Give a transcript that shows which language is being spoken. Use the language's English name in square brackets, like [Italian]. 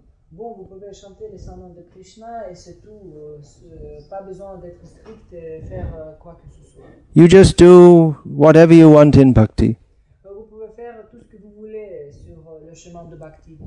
[French] Bon, vous pouvez chanter les saints noms de Krishna et c'est tout. Pas besoin d'être strict et faire quoi que ce soit. [English] You just do whatever you want in bhakti. [French] Vous pouvez faire tout ce que vous voulez sur le chemin de bhakti.